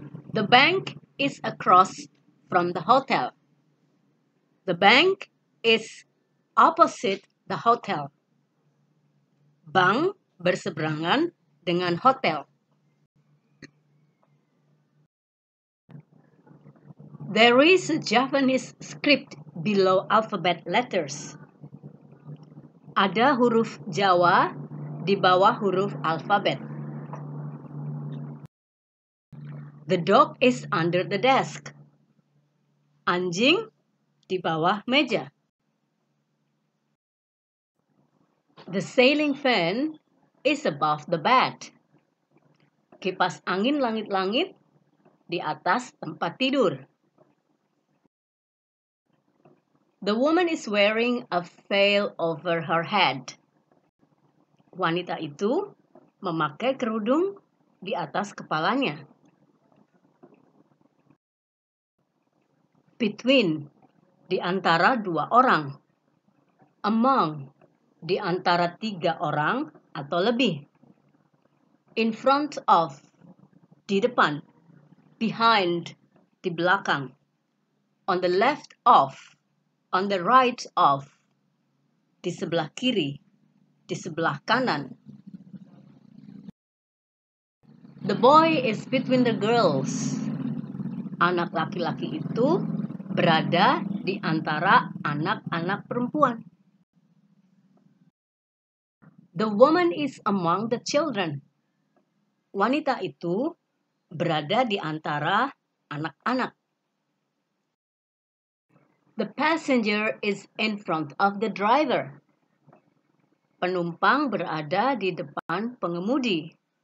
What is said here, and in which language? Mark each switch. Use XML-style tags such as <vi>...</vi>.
<en>The bank is across from the hotel. The bank is opposite the hotel.</en> <id>bank berseberangan dengan hotel.</id> <en>There is a Japanese script below alphabet letters.</en> <id>Ada huruf Jawa di bawah huruf alfabet.</id> <en>The dog is under the desk.</en> <id>Anjing di bawah meja.</id> <en>The ceiling fan is above the bed.</en> <id>Kipas angin langit-langit di atas tempat tidur.</id> <en>The woman is wearing a veil over her head.</en> <id>Wanita itu memakai kerudung di atas kepalanya. Between, di antara dua orang. Among, di antara tiga orang atau lebih.</id> <en>In front of,</en> <id>di depan. Behind, di belakang.</id> <en>On the left of, on the right of.</en> <id>Di sebelah kiri, di sebelah kanan.</id> <en>The boy is between the girls.</en> <id>Anak laki-laki itu berada di antara anak-anak perempuan.</id> <en>The woman is among the children.</en> <id>Wanita itu berada di antara anak-anak.</id> <en>The passenger is in front of the driver.</en> <id>Penumpang berada di depan pengemudi.</id>